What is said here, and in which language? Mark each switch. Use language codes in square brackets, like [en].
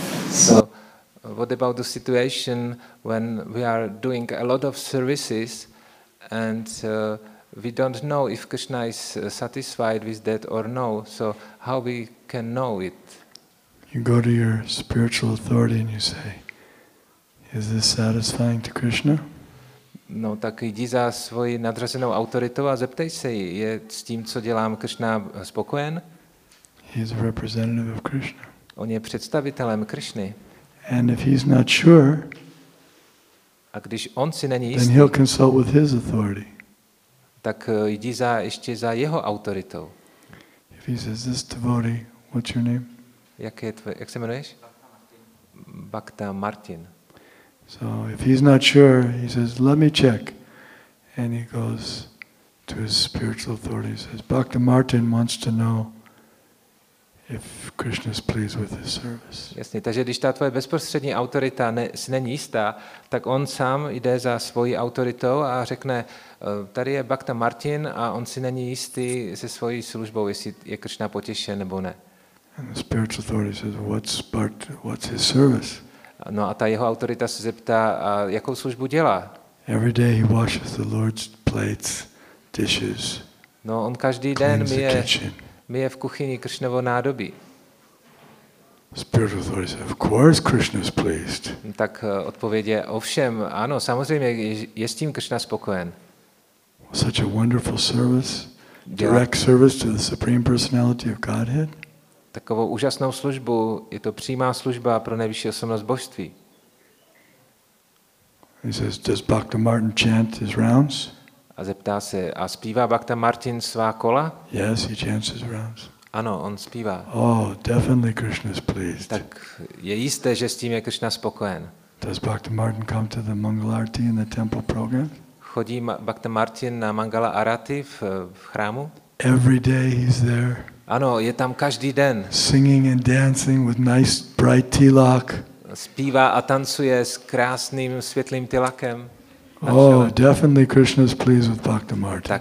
[en] so, what about the situation when we are doing a lot of services and we don't know if Krishna is satisfied with that or no, so how we can know it? You go to your spiritual authority and you say, is this satisfying to Krishna? [cs] No, tak jdi za svoji nadřazenou autoritou a zeptej se jí, je s tím, co dělám, Krishna spokojen? [en] He is a representative of Krishna. [cs] On je představitelem Krishny. [en] And if he's not sure, [cs] a když on si není jistý, [en] then he'll consult with his authority. [cs] Tak jdi za ještě za jeho autoritou. [en] If he says, this devotee, what's your name? [cs] Jak se jmenuješ? Bhakta Martin. [en] So if he's not sure, he says, let me check. And he goes to his spiritual authority, he says, Bhakta Martin wants to know if Krishna is pleased with his service. [cs] Jasně, takže když ta tvoje bezprostřední autorita si není jistá, tak on sám jde za svojí autoritou a řekne, tady je Bhakta Martin a on si není jistý se svojí službou, jestli je Krishna potěšen nebo ne. [en] And the spiritual authority says, what's his service? [cs] No a ta jeho autorita se zeptá, a jakou službu dělá? [en] Every day he washes the Lord's plates, dishes. [cs] No on každý den myje v kuchyni Krishnovo nádobí. [en] Spiritual authority says, of course Krishna is pleased. [cs] Tak odpověď je, ovšem, ano, samozřejmě je s tím Krishna spokojen. [en] Such a wonderful service, direct service to the Supreme Personality of Godhead. [cs] Takovou úžasnou službu, je to přímá služba pro nejvyšší osobnost božství. [en] He says, does Bhakta Martin chant his rounds? [cs] A zeptá se, a zpívá Bhakta Martin svá kola? [en] Yes, he chants his rounds. [cs] Ano, on zpívá. [en] Oh, definitely Krishna is pleased. [cs] Tak je jisté, že s tím je Krishna spokojen. [en] Does Bhakta Martin come to the Mangala Arati in the temple program? [cs] Chodí Bhakta Martin na Mangala Arati v chrámu? [en] Every day he's there. [cs] Ano, je tam každý den. [en] Singing and dancing with nice bright tilak. [cs] Zpívá a tancuje s krásným světlým tilakem. [en] Oh, definitely Krishna is pleased with Bhakta Martin.